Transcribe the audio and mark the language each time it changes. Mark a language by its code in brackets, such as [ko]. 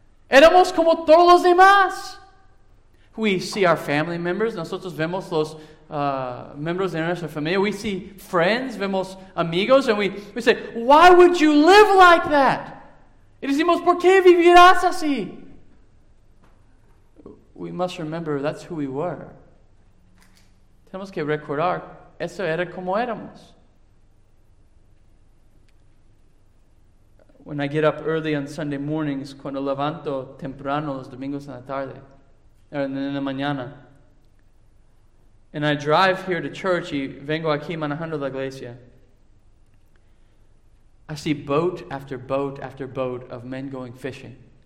[es] Éramos como todos los demás. [en] We see our family members. [es] Nosotros vemos los miembros de nuestra familia. [en] We see friends. [es] Vemos amigos. [en] And we say, why would you live like that? [es] Y decimos, ¿por qué vivirás así? [en] We must remember that's who we were. [es] Tenemos que recordar, eso era como éramos. [en] When I get up early on Sunday mornings, [es] cuando levanto temprano los domingos en la tarde, [en] or [es] en la mañana, [en] and I drive here to church [es] y vengo aquí manejando la iglesia, [en] I see boat after boat after boat of men going fishing.